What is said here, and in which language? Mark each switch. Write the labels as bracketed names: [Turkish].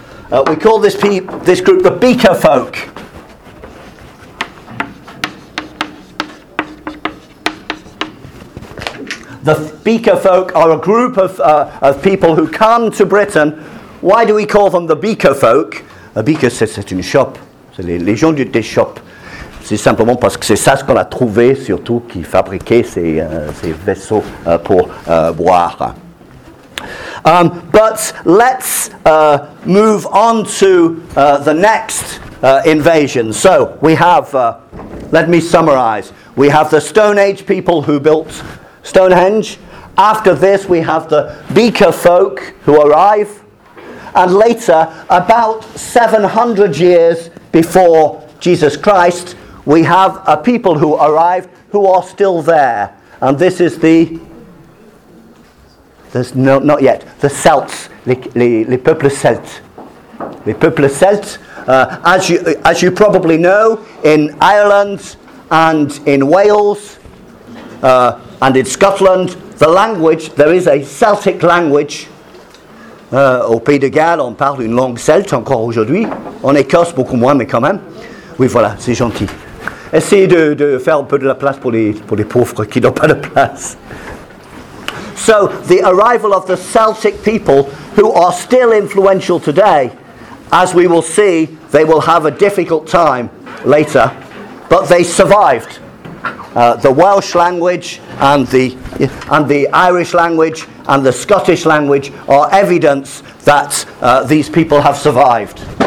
[English] We call this this group the Beaker folk. The Beaker folk are a group of people who come to Britain. Why do we call them the Beaker folk? [French] A beaker, c'est une shop. C'est les gens du des shop. C'est simplement parce que c'est ça ce qu'on a trouvé, surtout, qui fabriquait ces vaisseaux pour boire. [English] But let's move on to the next invasion. So we have, let me summarize. We have the Stone Age people who built Stonehenge. After this, we have the Beaker folk who arrive. And later, about 700 years before Jesus Christ, we have a people who arrived who are still there. And this is the Celts, [French] les peuples Celtes. Les peuples Celtes, [English] as you probably know, in Ireland and in Wales and in Scotland, the language, there is a Celtic language. [French] Au Pays de Galles, on parle une langue celte encore aujourd'hui. En Écosse, beaucoup moins, mais quand même. Oui, voilà, c'est gentil. Essayez de faire un peu de la place pour les pauvres qui n'ont pas de place. [English] So, the arrival of the Celtic people, who are still influential today, as we will see, they will have a difficult time later, but they survived. The Welsh language and the Irish language and the Scottish language are evidence that these people have survived.